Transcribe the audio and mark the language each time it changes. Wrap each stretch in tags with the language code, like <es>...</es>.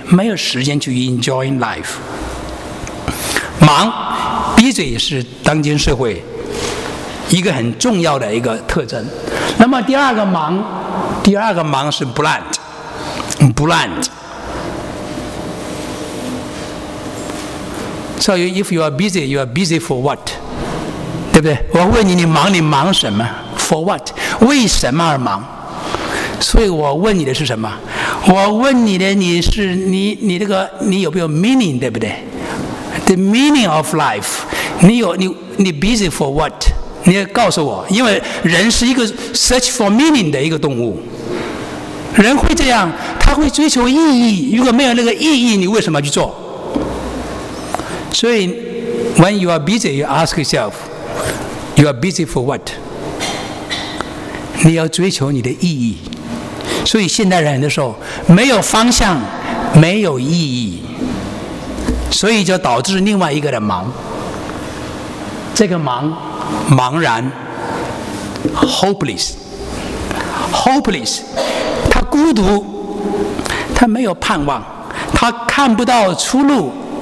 <zh>没有时间去</zh> <en>enjoy life。</en> <zh>忙闭嘴是当今社会一个很重要的一个特征。那么第二个忙，第二个忙是 blunt， blunt。</zh> <en>So if you are busy, you are busy for what？</en> <zh>对不对？我问你，你忙，你忙什么？</zh> <en>For what？</en> <zh>为什么而忙？所以我问你的是什么？我问你的，你是你这个你有没有 meaning， 对不对？</zh> <en>The meaning of life，</en> <zh>你</zh> <en>busy for what？</en> <zh>你要告诉我，因为人是一个</zh> <en>search for meaning</en> <zh>的一个动物，人会这样，他会追求意义。如果没有那个意义，你为什么去做？所以</zh> <en>when you are busy， you ask yourself， you are busy for what？</en> <zh>你要追求你的意义。所以现代人的时候没有方向，没有意义，所以就导致另外一个的忙。这个忙，茫然 ，hopeless， 他孤独，他没有盼望，他看不到出路。</zh>